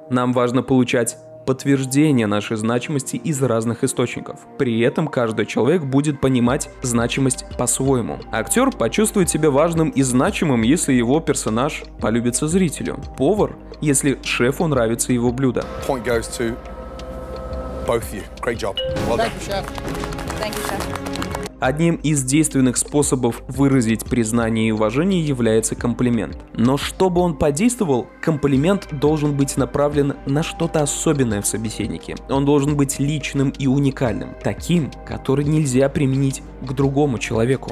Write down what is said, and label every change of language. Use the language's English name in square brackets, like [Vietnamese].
[Russian] Нам важно получать подтверждение нашей значимости из разных источников. При этом каждый человек будет понимать значимость по-своему. Актер почувствует себя важным и значимым, если его персонаж полюбится зрителю. Повар, если шефу нравится его блюдо. [English] Point goes to both of you. Great job. Well done. Thank you, chef. [Russian] Одним из действенных способов выразить признание и уважение является комплимент. Но чтобы он подействовал, комплимент должен быть направлен на что-то особенное в собеседнике. Он должен быть личным и уникальным, таким, который нельзя применить к другому человеку.